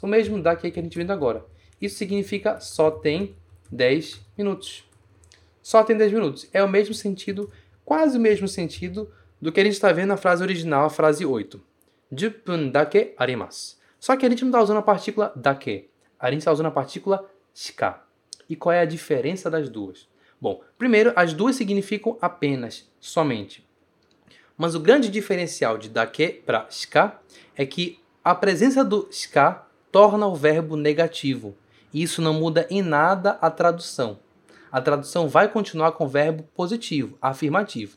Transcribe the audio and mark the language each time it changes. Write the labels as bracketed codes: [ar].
[pt] O mesmo daqui que a gente viu agora. Isso significa só tem 10 minutos. Só tem 10 minutos. É o mesmo sentido, quase o mesmo sentido do que a gente está vendo na frase original, a frase 8. [ja] 10分 だけ あります. [pt] Só que a gente não está usando a partícula だけ. A gente está usando a partícula しか. E qual é a diferença das duas? Bom, primeiro, as duas significam apenas, somente. Mas o grande diferencial de だけ para しか é que a presença do しか torna o verbo negativo. E isso não muda em nada a tradução. A tradução vai continuar com o verbo positivo, afirmativo.